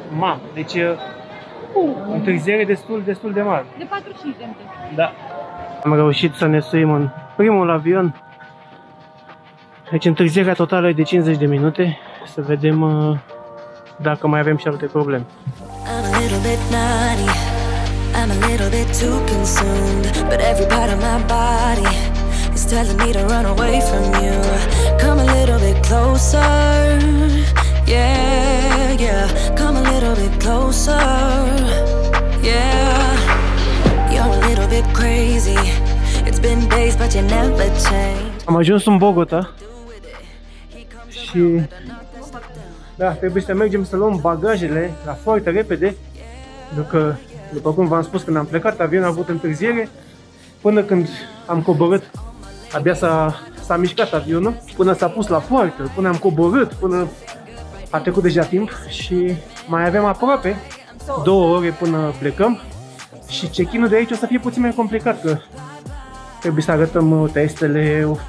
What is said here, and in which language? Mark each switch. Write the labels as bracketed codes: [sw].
[ro] Mamă, deci e întârziere destul de mare. De 45 de minute. Da. Am reușit să ne suim în primul avion. Deci întârzierea totală e de 50 de minute. Să vedem dacă mai avem și alte probleme. [en] I'm a little bit naughty, I'm a little bit too consumed, but every part of my body is telling me to run away from you. Come a little bit closer, yeah, yeah. Come a little bit closer, yeah. You're a little bit crazy, it's been days but you never change. [ro] Am ajuns în Bogota. Și da, trebuie să mergem să luăm bagajele la foarte repede, după cum v-am spus, când am plecat, avionul a avut întârziere, până când am coborât, abia s-a mișcat avionul, până s-a pus la poartă, până am coborât, până a trecut deja timp și mai avem aproape 2 ore până plecăm și check-in-ul de aici o să fie puțin mai complicat, că trebuie să arătăm testele.